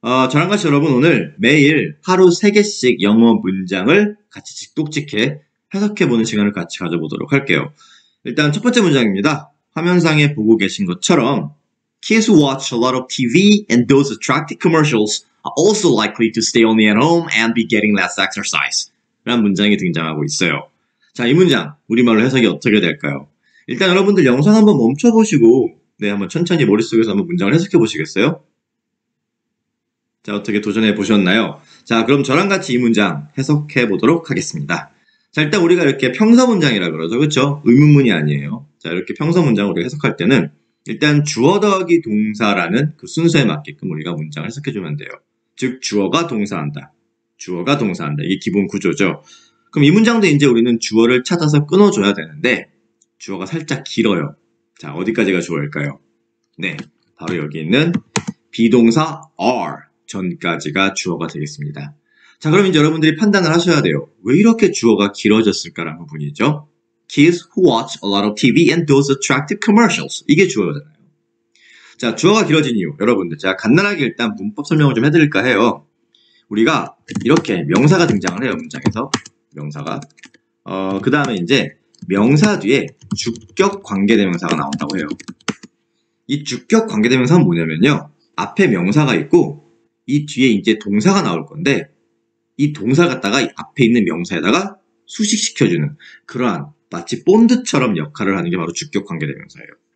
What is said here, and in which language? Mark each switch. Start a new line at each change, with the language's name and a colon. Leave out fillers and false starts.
Korean: 저랑 같이 여러분, 오늘 매일 하루 3개씩 영어 문장을 같이 직독직해 해석해보는 시간을 같이 가져보도록 할게요. 일단 첫 번째 문장입니다. 화면상에 보고 계신 것처럼
English: Kids who watch a lot of TV and those attractive commercials are also likely to stay only at home and be getting less exercise.
Korean: 라는 문장이 등장하고 있어요. 자, 이 문장 우리말로 해석이 어떻게 될까요? 일단 여러분들 영상 한번 멈춰보시고 네, 한번 천천히 머릿속에서 한번 문장을 해석해 보시겠어요? 자, 어떻게 도전해 보셨나요? 자, 그럼 저랑 같이 이 문장 해석해 보도록 하겠습니다. 자, 일단 우리가 이렇게 평서 문장이라 그러죠, 그렇죠? 의문문이 아니에요. 자, 이렇게 평서 문장을 우리가 해석할 때는 일단 주어 더하기 동사라는 그 순서에 맞게끔 우리가 문장을 해석해 주면 돼요. 즉, 주어가 동사한다. 주어가 동사한다. 이게 기본 구조죠. 그럼 이 문장도 이제 우리는 주어를 찾아서 끊어줘야 되는데 주어가 살짝 길어요. 자, 어디까지가 주어일까요? 네, 바로 여기 있는 비동사 are 전까지가 주어가 되겠습니다. 자, 그럼 이제 여러분들이 판단을 하셔야 돼요. 왜 이렇게 주어가 길어졌을까라는 부분이죠.
English: Kids who watch a lot of TV and those attractive commercials.
Korean: 이게 주어잖아요. 자, 주어가 길어진 이유. 여러분들, 제가 간단하게 일단 문법 설명을 좀 해드릴까 해요. 우리가 이렇게 명사가 등장을 해요, 문장에서. 명사가. 그 다음에 이제 명사 뒤에 주격 관계대명사가 나온다고 해요. 이 주격 관계대명사는 뭐냐면요. 앞에 명사가 있고 이 뒤에 이제 동사가 나올 건데 이 동사를 갖다가 앞에 있는 명사에다가 수식시켜주는 그러한 마치 본드처럼 역할을 하는 게 바로 주격 관계대명사예요.